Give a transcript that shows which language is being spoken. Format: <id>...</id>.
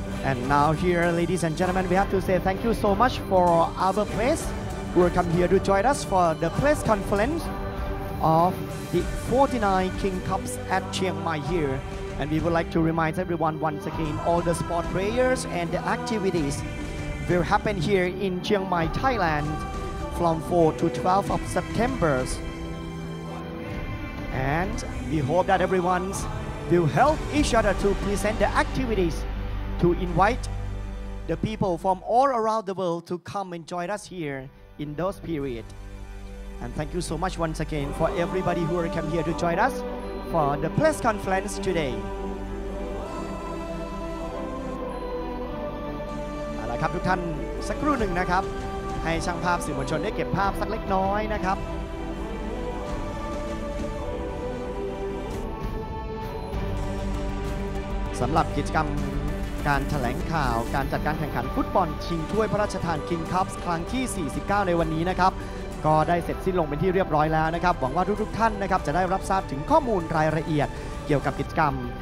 <en>And now here ladies and gentlemen we have to say thank you so much for our place welcome here to join us for the press conference of the 49 King Cups at Chiang Mai here and we would like to remind everyone once again all the sport players and the activitiesWill happen here in Chiang Mai, Thailand, from 4 to 12 of September. And we hope that everyone will help each other to present the activities, to invite the people from all around the world to come and join us here in those period. And thank you so much once again for everybody who are come here to join us for the press conference today.</en> <th>เอาละครับทุกท่านสักครู่หนึ่งนะครับให้ช่างภาพสื่อมวลชนได้เก็บภาพสักเล็กน้อยนะครับสำหรับกิจกรรมการแถลงข่าวการจัดการแข่งขันฟุตบอลชิงถ้วยพระราชทานคิงคัพครั้งที่49ในวันนี้นะครับก็ได้เสร็จสิ้นลงเป็นที่เรียบร้อยแล้วนะครับหวังว่าทุกท่านนะครับจะได้รับทราบถึงข้อมูลรายละเอียดเกี่ยวกับกิจกรรม</th>